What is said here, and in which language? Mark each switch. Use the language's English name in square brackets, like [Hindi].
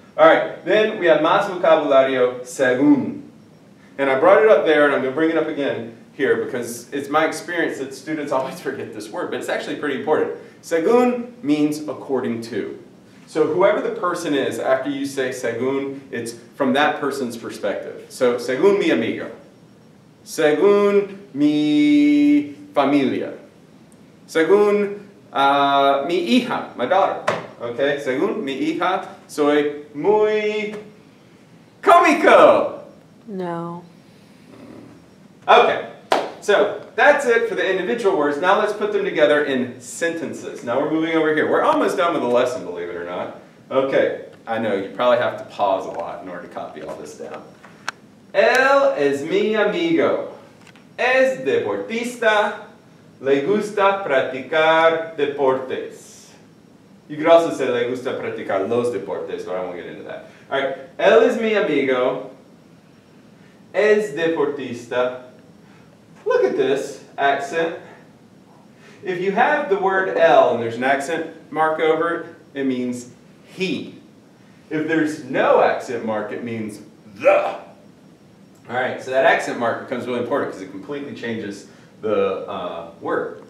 [English] All right, then we have [Spanish] más vocabulario según. [English] And I brought it up there, and I'm going to bring it up again. here because it's my experience that students always forget this word, but it's actually pretty important. Según means according to. So whoever the person is, after you say según, it's from that person's perspective. [Spanish] So según mi amigo, según mi familia, según mi hija, [English] my daughter. [Spanish] Okay, según mi hija, soy muy cómico. [English] No. Okay, so that's it for the individual words. Now let's put them together in sentences. Now we're moving over here. We're almost done with the lesson, believe it or not. Okay, I know, you probably have to pause a lot in order to copy all this down. [Spanish] Él es mi amigo. Es deportista. Le gusta practicar deportes. [English] You could also say, [Spanish] le gusta practicar los deportes, [English] but I won't get into that. All right, [Spanish] él es mi amigo, es deportista. [English] Look at this accent. If you have the word él and there's an accent mark over it, it means he. If there's no accent mark, it means the. All right, so that accent mark becomes really important because it completely changes the word.